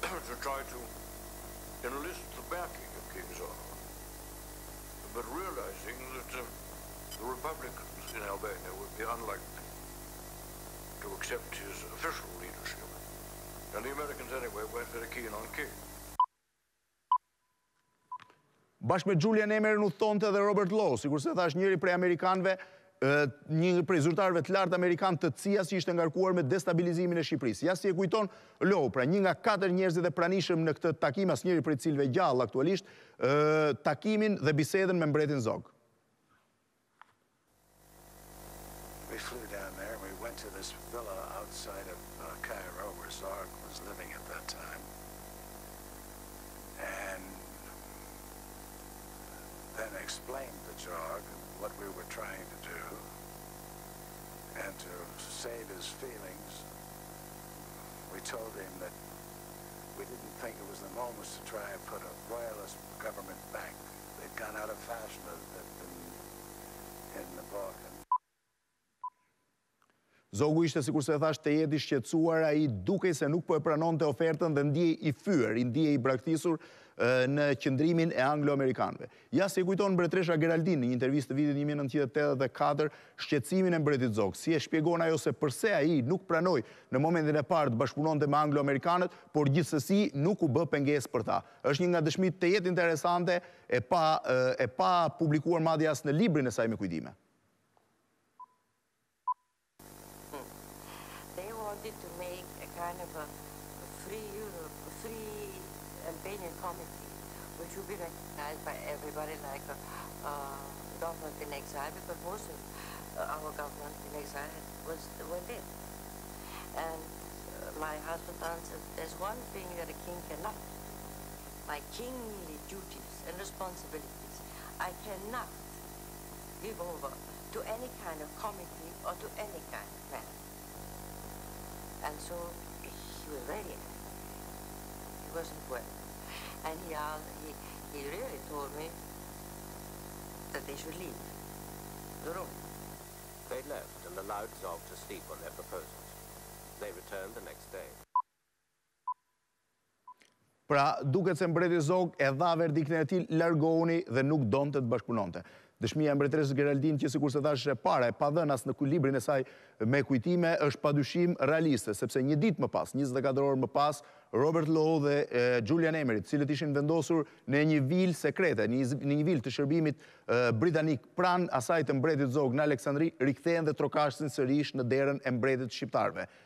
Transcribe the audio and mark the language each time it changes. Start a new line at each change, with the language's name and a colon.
English: To try to enlist the backing of King Zog. But realizing that the Republicans in Albania would be unlikely to accept his official leadership. And the Americans anyway weren't very keen on King.
Albanian: Bashkë me Julian Emeryn u thonte edhe Robert Lowe, sikurse thash njëri prej amerikanëve, një prej zyrtarëve të lartë amerikan të CIA që ishte ngarkuar me destabilizimin e Shqipërisë. Ja si e kujton Lowe, pra një nga katër njerëzit e pranishëm në këtë takim, asnjëri prej cilëve gjallë aktualisht, takimin dhe bisedën me mbretin Zog.
English: We flew down there, we went to this villa outside of Cairo where Zog was living at that time. And then explained to Zog what we were trying to do and to save his feelings. We told him that we didn't think it was the moment to try and put a royalist government back. They'd gone out of fashion in the Balkans.
Albanian: Zogu ishte, sikurse e thash, të jetë i shqetësuar, ai dukej se nuk po e pranonte ofertën dhe ndiej i fyer, i ndiej i braktisur në qendrimin e anglo-amerikanëve. Ja si kujton mbretëresha Geraldine në një intervistë të vitit 1984 shqetësimin e mbretit Zog, si e shpjegon ajo se përse ai nuk pranoi në momentin e parë të bashkëpunonte me anglo-amerikanët, por gjithsesi nuk u bë pengesë për ta. Është një nga dëshmitë të jetë interesante e pa publikuar madje as në librin e saj me kujdime.
English: Did to make a kind of a free Europe, free Albanian committee, which would be recognized by everybody, like a government in exile, because most of our government in exile were dead. And my husband answered, there's one thing that a king cannot do. My kingly duties and responsibilities, I cannot give over to any kind of committee or to any kind of man. And so he was very angry. He wasn't well. And he really told me that they should leave the room. They left and allowed Zog to sleep on their proposals. They returned the next day.
Albanian: Pra, duket se mbreti Zog e dha verdiktin e tij, largohuni dhe nuk donte të bashkëpunonte. Dëshmia e mbretëresës Geraldine, që sikur se thashë e para, e pa dhënë as në librin e saj me kujtime, është padyshim realiste, sepse një ditë më pas, 24 orë më pas, Robert Lowe dhe Julian Emery, të cilët ishin vendosur në një vilë sekrete, në një vilë të shërbimit britanik pranë asaj të mbretit Zog në Aleksandri, rikthehen dhe trokashtin sërish në derën e mbretit shqiptarëve.